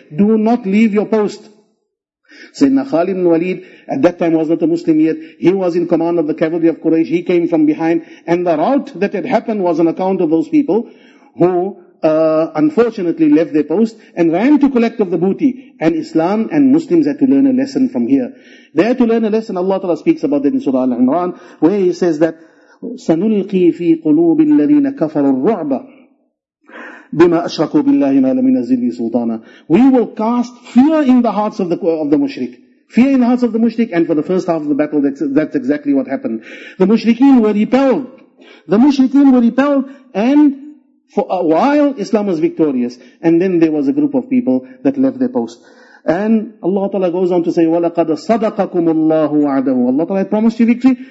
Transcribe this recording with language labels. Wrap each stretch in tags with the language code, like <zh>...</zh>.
<en>Do not leave your post. Sayyidina Khalid ibn Walid, at that time was not a Muslim yet. He was in command of the cavalry of Quraysh. He came from behind. And the rout that had happened was on account of those people who unfortunately left their post and ran to collect of the booty. And Islam and Muslims had to learn a lesson from here. They had to learn a lesson. Allah Ta'ala speaks about it in Surah Al-Imran, where He says that,</en> <ar>سَنُلْقِي فِي قُلُوبِ الَّذِينَ كَفَرُ الرُّعْبَ بِمَا أَشْرَكُوا بِاللَّهِ مَا لَمْ يَنَزِّلْ بِهِ سُلْطَانًا.</ar> <en>We will cast fear in the hearts of the mushrik. Fear in the hearts of the mushrik, and for the first half of the battle, that's exactly what happened. The mushrikeen were repelled. The mushrikeen were repelled, and for a while, Islam was victorious. And then there was a group of people that left their post. And Allah Ta'ala goes on to say,</en> <ar>وَلَقَدْ صَدَقَكُمُ اللَّهُ وَعَدَهُ.</ar> <en>Allah Ta'ala had promised you victory.</en>